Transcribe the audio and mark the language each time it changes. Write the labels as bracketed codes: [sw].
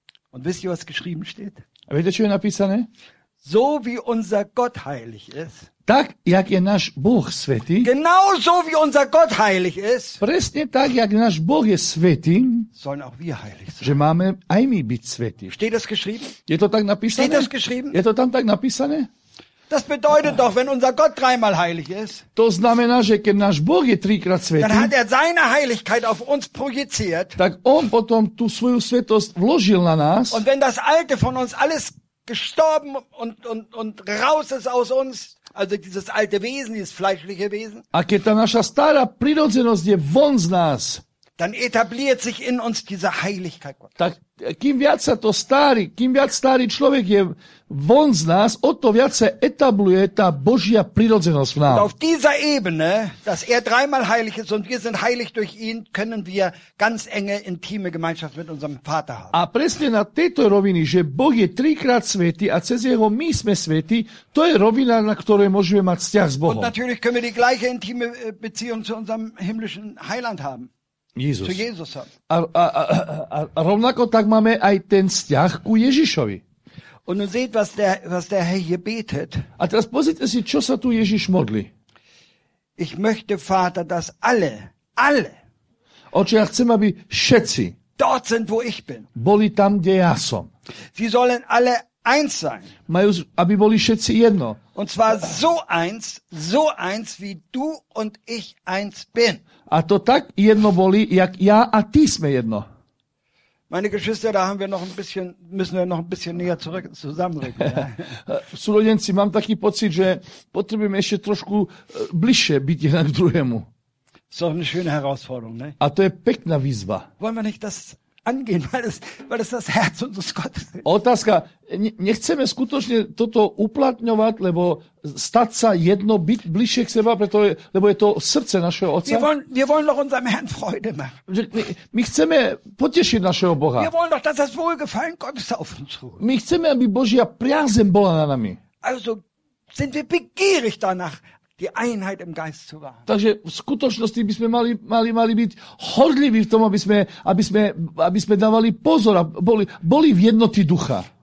[de] Und wisst ihr, was geschrieben steht? [sk] A viete, čo je napísané? [de] So wie unser Gott heilig ist. [sk] Tak, jak je náš Boh svätý. [de] Genau so wie unser Gott heilig ist. [sk] Presne tak, jak náš Boh je svätý. [de] Sollen auch wir heilig sein. [sk] Že máme aj my byť svätí. [de] Steht das geschrieben? [sk] Je to tak napísané? [de] Steht das geschrieben? [sk] Je to tam tak napísané? [de] Das bedeutet doch, wenn unser Gott dreimal heilig ist. [sk] To znamená, že keď náš Boh je trikrát svätý. [de] Dann hat er seine Heiligkeit auf uns projiziert. [sk] Tak on potom tú svoju svätosť vložil na nás. [de] Und wenn das alte von uns alles gestorben und raus ist aus uns, also dieses alte Wesen, dieses fleischliche Wesen. [sk] A keď tá naša stará prirodzenosť je von z nás. [de] Dann etabliert sich in uns diese Heiligkeit Gottes. [sk] Tak kým viac sa to starý, kým viac starý človek je von z nás, o to viac sa etabluje tá Božia prirodzenosť v nás. [de] Und auf dieser Ebene, dass er dreimal heilig ist und wir sind heilig durch ihn, können wir ganz enge, intime Gemeinschaft mit unserem Vater haben. [sk] A presne na tejto rovini, že Boh je trikrát svätý a cez jeho my sme svätí, to je rovina, na ktorej môžeme mať vzťah s Bohom. [de] Und natürlich können wir die gleiche intime Beziehung zu unserem himmlischen Heiland haben. Jesus. Zu Jezusa. [sk] A rovnako tak máme aj ten vzťah ku Ježišovi. [de] Und nun seht, was der Herr hier betet. [sk] A teraz pozrite si, čo sa tu Ježiš modlí. [de] Ich möchte, Vater, dass alle. [sk] Oče, ja chcem, aby všetci [de] dort sind, wo ich bin. [sk] Boli tam, kde ja som. [de] Sie sollen alle eins sein. [sk] Majú, aby boli všetci jedno. [de] Und zwar so eins, wie du und ich eins bin. [sk] A to tak jedno boli, jak ja a ty sme jedno. [de] Meine Geschwister, da haben wir noch ein bisschen, müssen wir noch ein bisschen näher zurück zusammenrücken. [sk] Súrodenci, mám taký pocit, že potrebujeme ešte trošku bližšie byť jeden k druhému. [de] Das ist doch eine schöne Herausforderung, ne? [sk] A to je pekná výzva. [de] Wollen wir nicht das angehen, weil es das Herz unseres Gottes ist. [sk] Otázka, nechceme skutočne toto uplatňovať, lebo stať sa jedno, byť bližšie k seba, pretože lebo je to srdce našeho Otca. [de] Wir wollen doch unserem Herrn Freude machen. [sk] My chceme potešiť našeho Boha. [de] Wir wollen doch, dass das Wohlgefallen Gottes auf uns ruht. [sk] My chceme, aby Božia priazeň bola na nami. [de] Also sind wir begierig danach, die Einheit im Geist zu wahren. [sk] Takže v skutočnosti by sme mali byť horliví v tom, aby sme dávali pozor a boli v jednoty ducha.